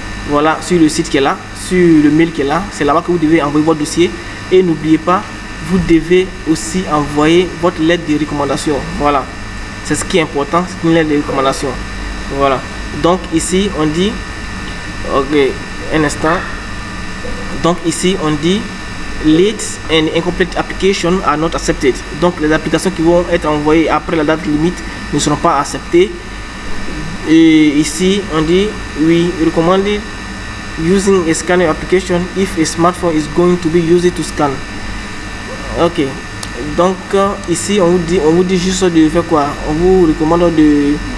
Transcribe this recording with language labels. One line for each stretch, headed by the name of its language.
French: Voilà, sur le site qui est là, sur le mail qui est là, c'est là-bas que vous devez envoyer votre dossier. Et n'oubliez pas, vous devez aussi envoyer votre lettre de recommandation. Voilà, c'est ce qui est important, c'est une lettre de recommandation. Voilà, donc ici on dit, ok, un instant. Donc ici on dit,
English: late and incomplete application are not accepted.
French: Donc les applications qui vont être envoyées après la date limite ne seront pas acceptées. Et ici, on dit,
English: we recommend using a scanner application if a smartphone is going to be used to scan. Ok.
French: Donc, ici, on vous dit juste de faire quoi? On vous recommande de.